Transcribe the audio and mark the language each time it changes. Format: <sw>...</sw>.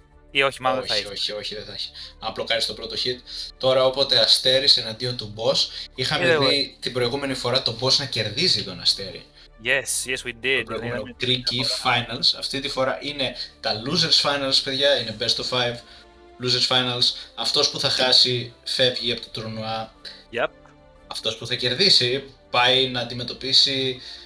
<el>Ή όχι, μάλλον θα είχε. Όχι, δεν θα έχει. Αν μπλοκάρει το πρώτο hit. Τώρα, όποτε αστέρι εναντίον του boss, είχαμε δει την προηγούμενη φορά το boss να κερδίζει τον αστέρι.</el> <en>Yes, we did.</en> <el>Το προηγούμενο tricky finals. Αυτή τη φορά είναι τα losers finals, παιδιά. Είναι best of 5 losers finals. Αυτό που θα χάσει φεύγει από το τουρνουά.</el> <en>Yep.</en> <el>Αυτό που θα κερδίσει πάει να αντιμετωπίσει</el>